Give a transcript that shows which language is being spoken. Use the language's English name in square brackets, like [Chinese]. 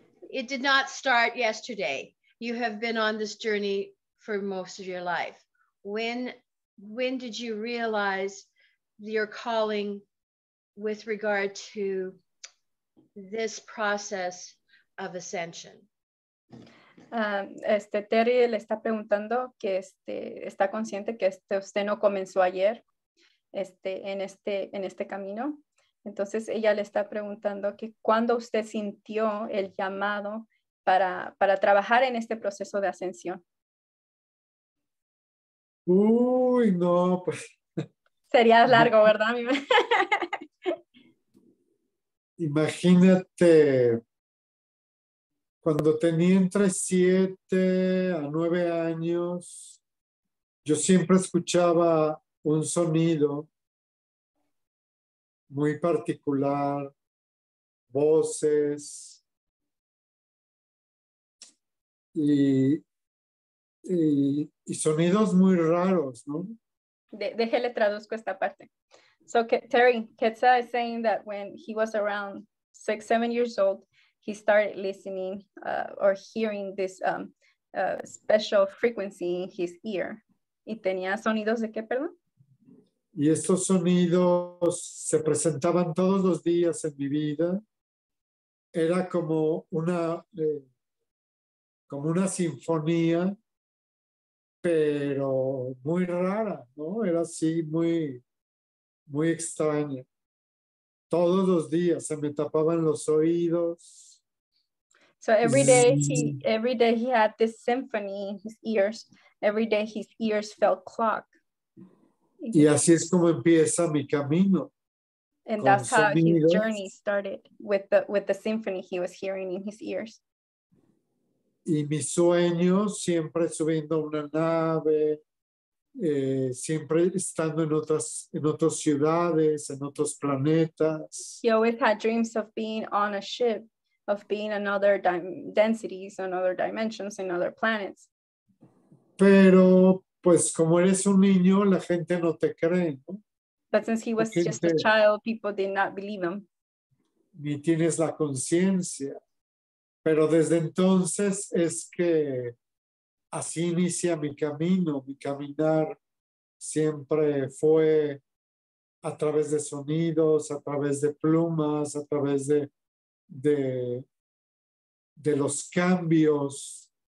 [English] It did not start yesterday. You have been on this journey for most of your life. When did you realize your calling with regard to this process of ascension? [Spanish] Terry le está preguntando que está consciente que usted no comenzó ayer en este camino. Entonces ella le está preguntando que cuando usted sintió el llamado para trabajar en este proceso de ascensión. Uy, no, pues. Sería largo, ¿verdad? Imagínate cuando tenía entre 7 a 9 años, yo siempre escuchaba un sonido muy particular, voces, y sonidos muy raros, ¿no? Déjele traduzco esta parte. [English] So Terry, Quetza is saying that when he was around 6-7 years old, he started listening or hearing this special frequency in his ear. [Spanish] ¿Y tenía sonidos de qué, perdón? Y estos sonidos se presentaban todos los días en mi vida. Era como una sinfonía, pero muy rara, ¿no? Era así muy, muy extraña. Todos los días se me tapaban los oídos. [English] So every day he had this symphony in his ears. Every day his ears felt clock. [Spanish] Y así es como empieza mi camino. [English] And that's how his journey started with the symphony he was hearing in his ears. [Spanish] Y mi sueño siempre subiendo una nave, siempre estando en otras ciudades, en otros planetas. [English] He always had dreams of being on a ship, of being in other densities, in other dimensions, in other planets. [Spanish] Pero, pues, como eres un niño, la gente no te cree, ¿no? [English] But since he was just a child, people did not believe him. [Spanish] Ni tienes la conciencia. Pero desde entonces es que así inicia mi camino. Mi caminar siempre fue a través de sonidos, a través de plumas, a través de los cambios,